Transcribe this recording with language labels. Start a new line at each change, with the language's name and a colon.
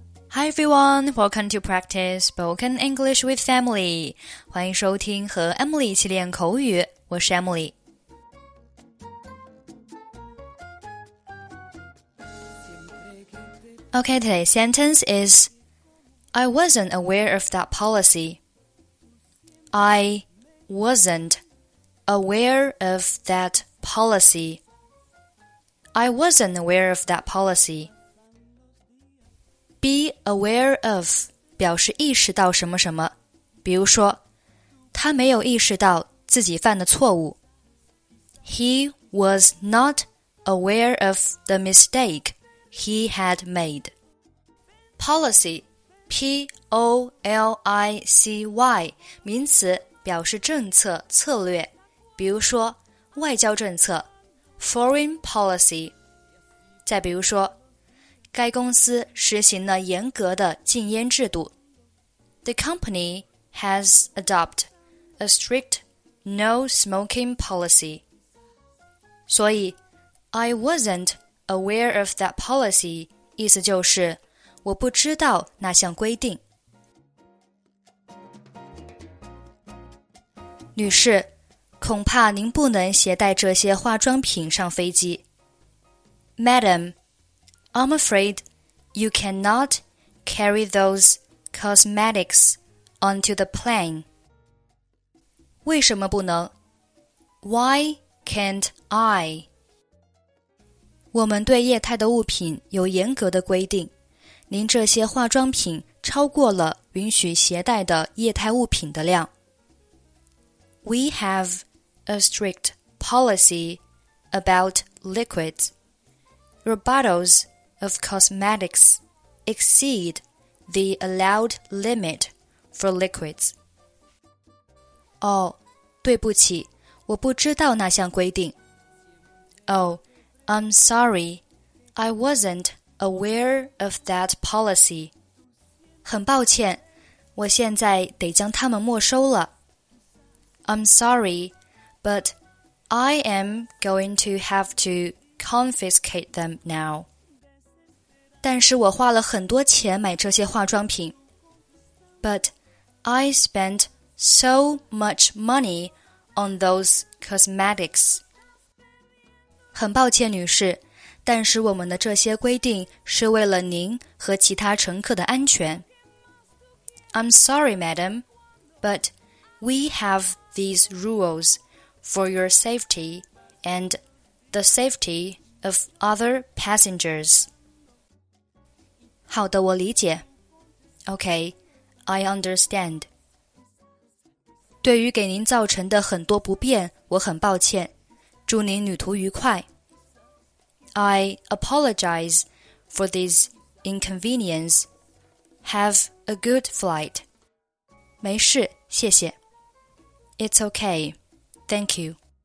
English: Hi everyone, welcome to practice spoken English with Emily.
Chinese: 欢迎收听和 Emily 一起练口语，我是 Emily。
English: Okay, today's sentence is, I wasn't aware of that policy. I wasn't aware of that policy. I wasn't aware of that policy. Be aware of
Chinese: 表示意识到什么什么，比如说，他没有意识到自己犯的错误。
English: He was not aware of the mistake he had made.
Chinese: Policy, P-O-L-I-C-Y, 名词表示政策、策略，比如说外交政策 ，
English: foreign policy。
Chinese: 再比如说。该公司实行了严格的禁烟制度。
English: The company has adopted a strict no smoking policy.
Chinese: 所以
English: I wasn't aware of that policy
Chinese: 意思就是我不知道那项规定。女士，恐怕您不能携带这些化妆品上飞机。
English: Madam,I'm afraid you cannot carry those cosmetics onto the plane.
Chinese: 为什么不能?
English: Why can't I?
Chinese: 我们对液态的物品有严格的规定。您这些化妆品超过了允许携带的液态物品的量。
English: We have a strict policy about liquids. Your bottles... of cosmetics exceed the allowed limit for liquids.
Chinese: 哦、oh, 对不起我不知道那项规定。
English: Oh, I'm sorry, I wasn't aware of that policy.
Chinese: 很抱歉我现在得将它们没收了。
English: I'm sorry, but I am going to have to confiscate them now.
Chinese: 但是我花了很多钱买这些化妆品。
English: But I spent so much money on those cosmetics.
Chinese: 很抱歉女士，但是我们的这些规定是为了您和其他乘客的安全。
English: I'm sorry, madam, but we have these rules for your safety and the safety of other passengers.
Chinese: 好的我理解。
English: OK, I understand.
Chinese: 对于给您造成的很多不便我很抱歉。祝您旅途愉快。
English: I apologize for this inconvenience. Have a good flight.
Chinese: 没事谢谢。
English: It's OK, thank you.